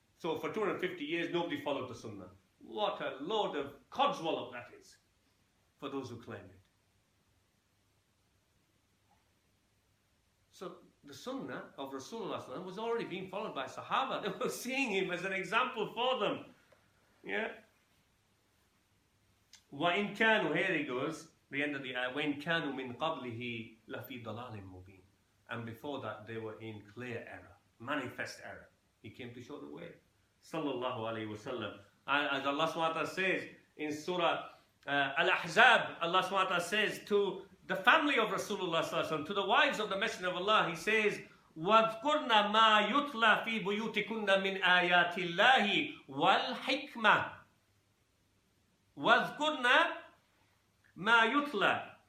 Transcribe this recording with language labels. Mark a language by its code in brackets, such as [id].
[en] So for 250 years, nobody followed the sunnah. What a load of codswallop that is, for those who claim it. So the sunnah of Rasulullah was already being followed by Sahaba. They were seeing him as an example for them. Yeah. [ar] وَإِنْ كَانُوا, [en] here he goes, the end of the ayah, [ar] وَإِنْ كَانُوا مِنْ قَبْلِهِ لَفِي ضَلَالٍ مُبِينٍ. [en] And before that, they were in clear error, manifest error. He came to show the way. Sallallahu alayhi wa sallam. As Allah SWT says in Surah Al-Ahzab, Allah SWT says to the family of Rasulullah, to the wives of the Messenger of Allah, he says, [ar] وَذْكُرْنَا مَا يُطْلَى فِي بُيُوتِكُنَّ مِنْ آيَاتِ اللَّهِ وَالْحِكْمَةِ وَذْكُرْنَا مَا يُطْلَى.